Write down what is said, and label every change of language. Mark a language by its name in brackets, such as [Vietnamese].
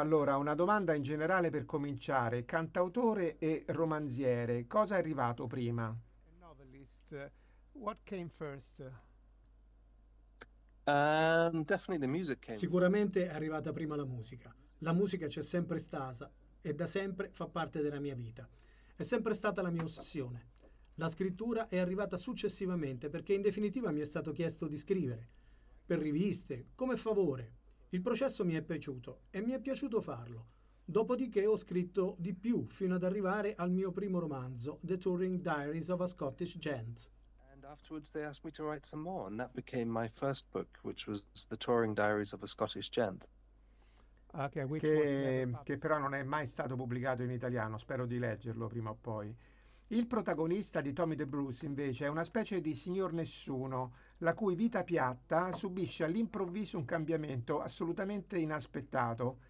[Italian] Allora, una domanda in generale per cominciare. Cantautore e romanziere, cosa è arrivato prima? [English] Novelist, what came first? Definitely the music came. [Italian] Sicuramente è arrivata prima la musica. La musica c'è sempre stata e da sempre fa parte della mia vita. È sempre stata la mia ossessione. La scrittura è arrivata successivamente perché in definitiva mi è stato chiesto di scrivere per riviste, come favore. Il processo mi è piaciuto e mi è piaciuto farlo. Dopodiché ho scritto di più fino ad arrivare al mio primo romanzo, The Touring Diaries of a Scottish Gent. [English] And afterwards they asked me to write some more and that became my first book, which was The Touring Diaries of a Scottish Gent. Okay, which [Italian] che però non è mai stato pubblicato in italiano, spero di leggerlo prima o poi. Il protagonista di Tommy DeBruce, invece, è una specie di signor nessuno, la cui vita piatta subisce all'improvviso un cambiamento assolutamente inaspettato.